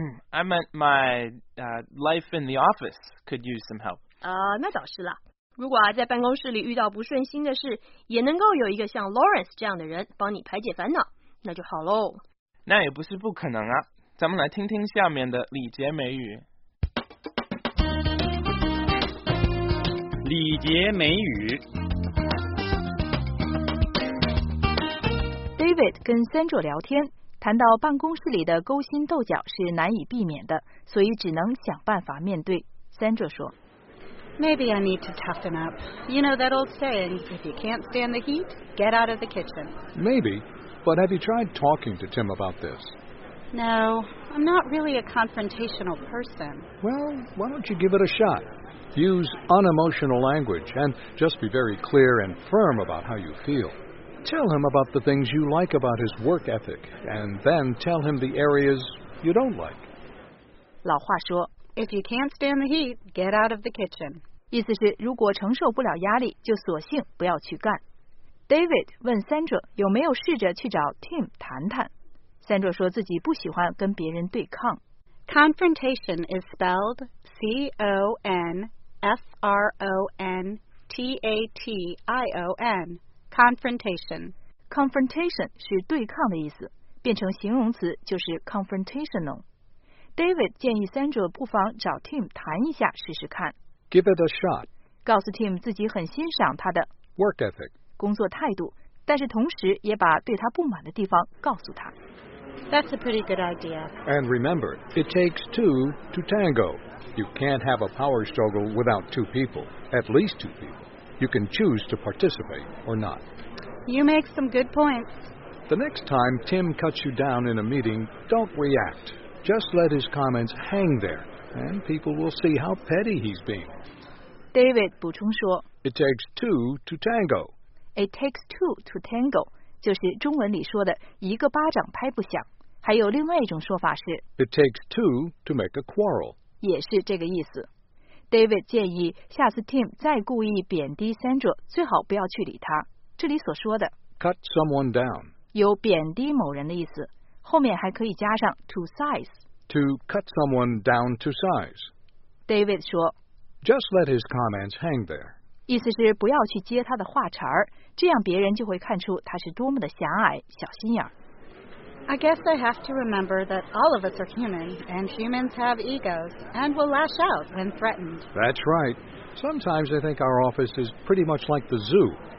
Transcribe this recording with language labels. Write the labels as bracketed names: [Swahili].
[English] I meant my life in the office could use some help. [Chinese] 那倒是啦。如果啊，在办公室里遇到不顺心的事，也能够有一个像 Lawrence 这样的人帮你排解烦恼，那就好喽。那也不是不可能啊。咱们来听听下面的礼节美语。礼节美语。 David 跟 Sandra 聊天，谈到办公室里的勾心斗角是难以避免的，所以只能想办法面对。Sandra 说。 [English] Maybe I need to toughen up. You know that old saying, if you can't stand the heat, get out of the kitchen. Maybe, but have you tried talking to Tim about this? No, I'm not really a confrontational person. Well, why don't you give it a shot? Use unemotional language and just be very clear and firm about how you feel. Tell him about the things you like about his work ethic, and then tell him the areas you don't like. [Chinese] 老话说 [English] If you can't stand the heat, get out of the kitchen. [Chinese] 意思是如果承受不了压力就索性不要去干。 David 问 Sandra 有没有试着去找 Tim 谈谈。 Sandra 说自己不喜欢跟别人对抗。 [English] Confrontation is spelled C-O-N-F-R-O-N-T-A-T-I-O-N. Confrontation. [Chinese] Confrontation 是对抗的意思，变成形容词就是 confrontational。 David 建议 Sandra 不妨找 Tim 谈一下试试看。 [English] Give it a shot. [Chinese] 告诉 Tim 自己很欣赏他的 [English] work ethic [Chinese] 工作态度，但是同时也把对他不满的地方告诉他。 [English] That's a pretty good idea. And remember, it takes two to tango. You can't have a power struggle without two people, at least two people. You can choose to participate or not. You make some good points. The next time Tim cuts you down in a meeting, don't react.Just let his comments hang there and people will see how petty he's being. [Chinese] David 补充说 [English] It takes two to tango. It takes two to tango, [Chinese] 就是中文里说的一个巴掌拍不响。还有另外一种说法是 [English] It takes two to make a quarrel. [Chinese] 也是这个意思。David 建议下次 Tim 再故意贬低 Sandra, 最好不要去理他。这里所说的 [English] Cut someone down. [Chinese] 有贬低某人的意思。后面还可以加上 to size. [English] To cut someone down to size. [Chinese] David 说 [English] Just let his comments hang there. [Chinese] 意思是不要去接他的话茬儿，这样别人就会看出他是多么的狭隘、小心眼。 [English] I guess I have to remember that all of us are human, and humans have egos, and will lash out when threatened. That's right. Sometimes I think our office is pretty much like the zoo.